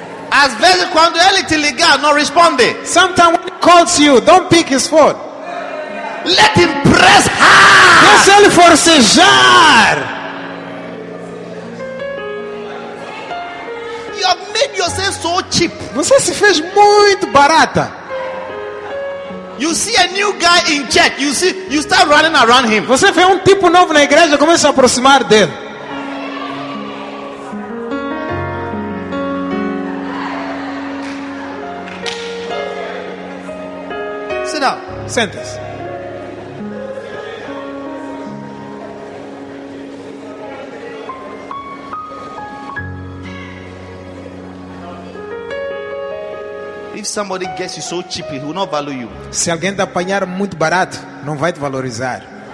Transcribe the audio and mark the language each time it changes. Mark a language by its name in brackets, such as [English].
[Portuguese] Às vezes quando ele te liga, não responde. [English] Sometimes when he calls you, don't pick his phone. Let him press hard. [Portuguese] Deixa ele forcejar. [English] You have made yourself so cheap. [Portuguese] Você se fez muito barata. [English] You see a new guy in church. You see, you start running around him. [Portuguese] Você vê tipo novo na igreja, começa a aproximar dele. [English] Sit down. [Portuguese] Sentes. [English] If somebody gets you so cheap, he will not value you. [Portuguese] Se alguém te apanhar muito barato, não vai te valorizar.